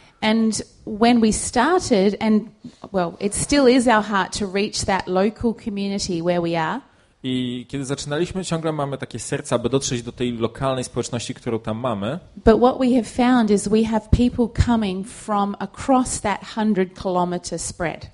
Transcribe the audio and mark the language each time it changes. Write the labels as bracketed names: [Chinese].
[English] And when we started, and well, it still is our heart to reach that local community where we are. [Polish] I kiedy zaczynaliśmy, ciągle mamy takie serce, aby dotrzeć do tej lokalnej społeczności, którą tam mamy. [English] But what we have found is we have people coming from across that 100-kilometer spread.